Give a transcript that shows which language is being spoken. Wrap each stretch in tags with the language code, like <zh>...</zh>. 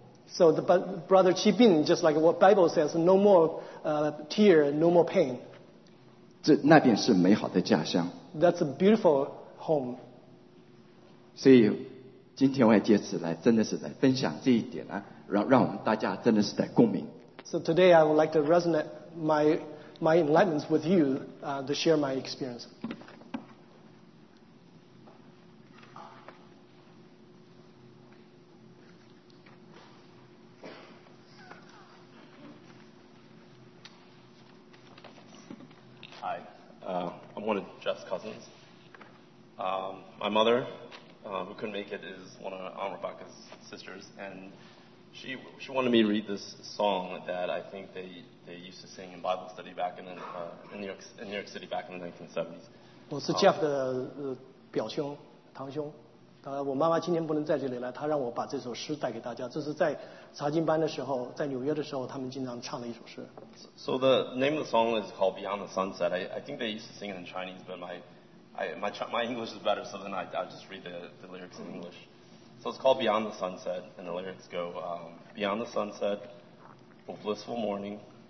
<en>So the brother 骑兵 just like what Bible says no more tear no more pain</en> <zh>这那边是美好的家乡</zh> <en>That's a beautiful home</en> <zh>所以今天我也借此来真的是来分享这一点呢、啊让我们大家真的是在共鸣</zh> <en>So today I would like to resonate my enlightenments with you、to share my experience 嗨 I'm one of Jeff's cousins、my mother、who couldn't make it is one of Aunt Rebecca's sisters andShe wanted me to read this song that I think they used to sing in Bible study back in New York City back in the 1970s.</en> <zh>我是 Jeff 的表兄堂兄，我妈妈今天不能在这里来，她让我把这首诗带给大家。这是在查经班的时候，在纽约的时候，他们经常唱的一首诗。</zh> <en>So the name of the song is called Beyond the Sunset. I think they used to sing it in Chinese, but my English is better, so then I just read the lyrics in English. So it's called Beyond the Sunset, and the lyrics go,、Beyond the sunset, a blissful morning.</en>